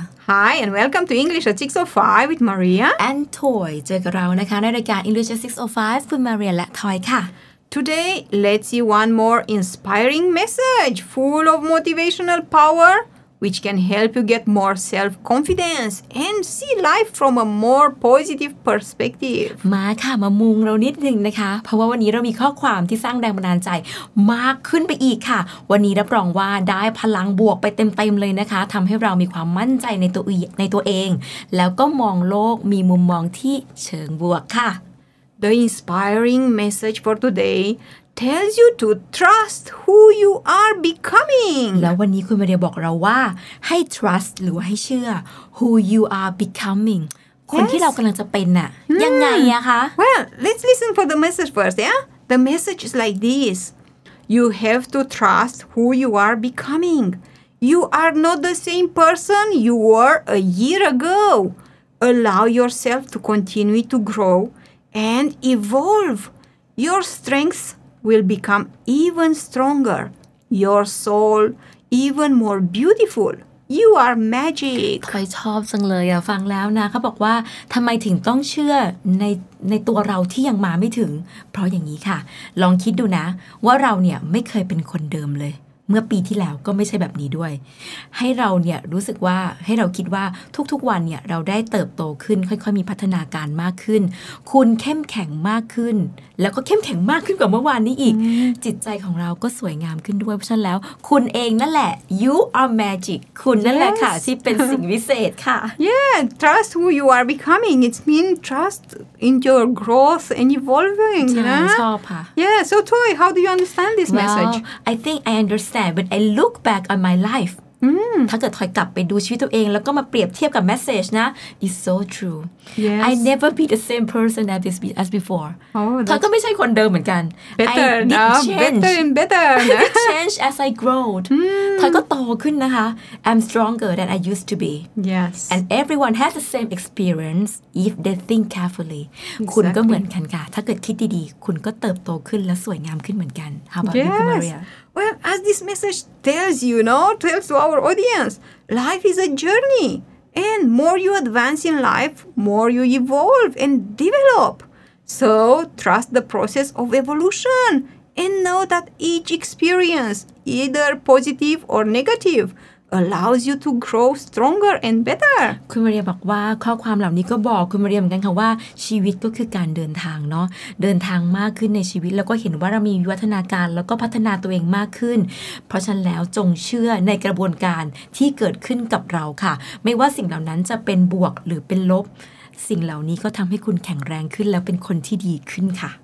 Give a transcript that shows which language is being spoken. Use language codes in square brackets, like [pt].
[en] Hi and welcome to English at 6:05 with Maria and Toy. [th] เจอกับเรานะคะในรายการ English at 6:05 คุณ Maria และ Toy ค่ะ [en] Today let's see one more inspiring message full of motivational power which can help you get more self confidence and see life from a more positive perspective. [th] มาค่ะมามุงเรานิดนึงนะคะเพราะว่าวันนี้เรามีข้อความที่สร้างแรงบันดาลใจมากขึ้นไปอีกค่ะวันนี้รับรองว่าได้พลังบวกไปเต็มๆเลยนะคะทำให้เรามีความมั่นใจในตัวเองแล้วก็มองโลกมีมุมมองที่เชิงบวกค่ะ [en] The inspiring message for todayTells you to trust who you are becoming. [th] แล้ววันนี้คุณมาเรียบอกเราว่าให้ trust หรือให้เชื่อ [en] who you are becoming. [th] คนที่เรากำลังจะเป็นน่ะยังไงอะคะ [en] Well, let's listen for the message first, yeah? The message is like this. You have to trust who you are becoming. You are not the same person you were a year ago. Allow yourself to continue to grow and evolve. Your strengths. Will become even stronger. Your soul even more beautiful. You are magic. [th] ทอยชอบจังเลยอ่ะฟังแล้วนะเขาบอกว่าทำไมถึงต้องเชื่อในตัวเราที่ยังมาไม่ถึงเพราะอย่างนี้ค่ะลองคิดดูนะว่าเราเนี่ยไม่เคยเป็นคนเดิมเลยเมื่อปีที่แล้วก็ไม่ใช่แบบนี้ด้วยให้เราเนี่ยรู้สึกว่าให้เราคิดว่าทุกๆวันเนี่ยเราได้เติบโตขึ้นค่อยๆมีพัฒนาการมากขึ้นคุณเข้มแข็งมากขึ้นแล้วก็เข้มแข็งมากขึ้นกว่าเมื่อวานนี้อีก จิตใจของเราก็สวยงามขึ้นด้วยเพราะฉะนั้นแล้วคุณเองนั่นแหละ [en] you are magic [th] คุณ [en] yes. [th] นั่นแหละค่ะที่เป็นสิ่งวิเศษค่ะ [en] yeah trust who you are becoming it means trust in your growth and evolving [th] ใช่ [en] yeah. [th] ชอบค่ะ [en] yeah so Toy how do you understand this well, message I think I understand but I look back on my life [th] ถ้าเกิดถอยกลับไปดูชีวิตตัวเองแล้วก็มาเปรียบเทียบกับ message นะ [en] it's so true yes. I never be the same person as before oh, [th] เธอก็ไม่ใช่คนเดิมเหมือนกัน [en] better I didn't change better I didn't change as I grow [th] เธอก็โตขึ้นนะคะ [en] I'm stronger than I used to be yes and everyone has the same experience if they think carefully exactly. [th] คุณก็เหมือนกันค่ะถ้าเกิดคิดดีๆคุณก็เติบโตขึ้นและสวยงามขึ้นเหมือนกัน [en] how about yes. you Maria Well, as this message tells you, no, tells to our audience, life is a journey. And more you advance in life, more you evolve and develop. So trust the process of evolution and know that each experience, either positive or negative, allows you to grow stronger and better. [th] คุณมาเรียบอกว่าข้อความเหล่านี้ก็บอกคุณมาเรียเหมือนกันค่ะว่าชีวิตก็คือการเดินทางเนาะเดินทางมากขึ้นในชีวิตแล้วก็เห็นว่าเรามีวิวัฒนาการแล้วก็พัฒนาตัวเองมากขึ้นเพราะฉะนั้นแล้วจงเชื่อในกระบวนการที่เกิดขึ้นกับเราค่ะไม่ว่าสิ่งเหล่านั้นจะเป็นบวกหรือเป็นลบสิ่งเหล่านี้ก็ทำให้คุณแข็งแรงขึ้นแล้วเป็นคนที่ดีขึ้นค่ะ